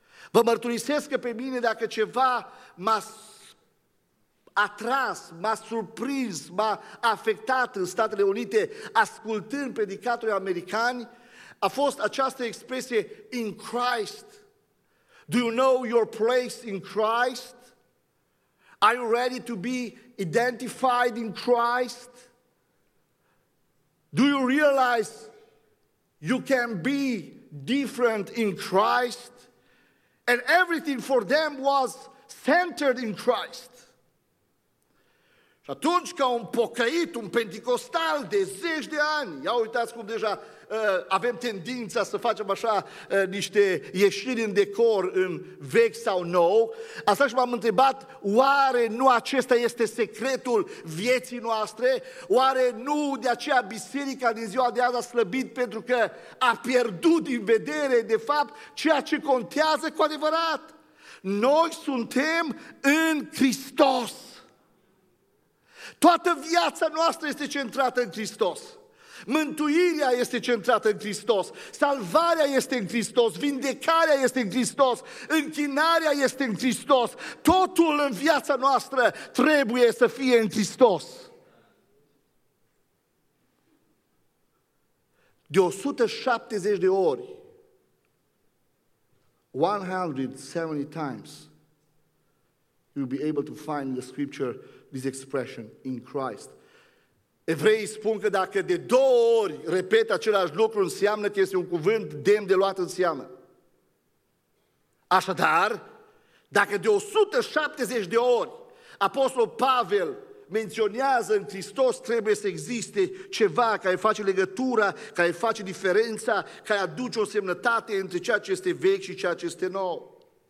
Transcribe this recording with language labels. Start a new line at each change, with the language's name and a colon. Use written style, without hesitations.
Romanian: Vă mărturisesc că pe mine dacă ceva m-a atras, m-a surprins, m-a afectat în Statele Unite ascultând predicatorii americani, a fost această expresie
English: in Christ. Do you know your place in Christ? Are you ready to be identified in Christ? Do you realize you can be different in Christ? And everything for them was centered in Christ.
Romanian: Și atunci ca un pocăit, un penticostal de zeci de ani, ia uitați cum deja avem tendința să facem așa niște ieșiri în decor, în vechi sau nou, asta și m-am întrebat, oare nu acesta este secretul vieții noastre? Oare nu de aceea biserica din ziua de azi a slăbit pentru că a pierdut din vedere, de fapt, ceea ce contează cu adevărat? Noi suntem în Hristos. Toată viața noastră este centrată în Hristos. Mântuirea este centrată în Hristos. Salvarea este în Hristos. Vindecarea este în Hristos. Închinarea este în Hristos. Totul în viața noastră trebuie să fie în Hristos. De 170 de ori,
English: 170 times, you'll be able to find in the scripture this expression, in Christ.
Romanian: Evreii spun că dacă de două ori repet același lucru, înseamnă că este un cuvânt demn de luat în seamă. Așadar, dacă de 170 de ori Apostolul Pavel menționează în Hristos, trebuie să existe ceva care face legătura, care face diferența, care aduce o semnătate între ceea ce este vechi și ceea ce este nou.